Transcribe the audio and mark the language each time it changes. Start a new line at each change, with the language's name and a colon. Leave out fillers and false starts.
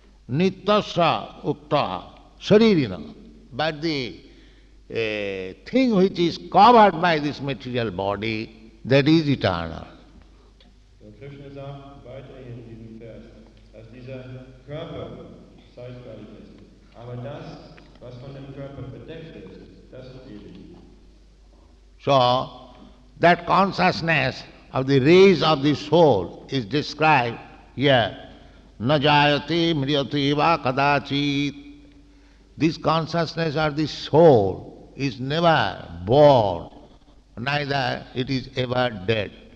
Sanskrit: Nittasya ukta sharirina,
English: but the thing which is covered by this material body, that is eternal.
German: So Krishna sagt weiterhin in diesem Vers, dass dieser Körper zeitweilig ist, aber das, was von dem Körper bedeckt ist, das ist ewig.
English: So, that consciousness of the rays of the soul is described here.
Sanskrit: Na jayate mriyate va kadachit.
English: This consciousness or this soul is never born, neither it is ever dead.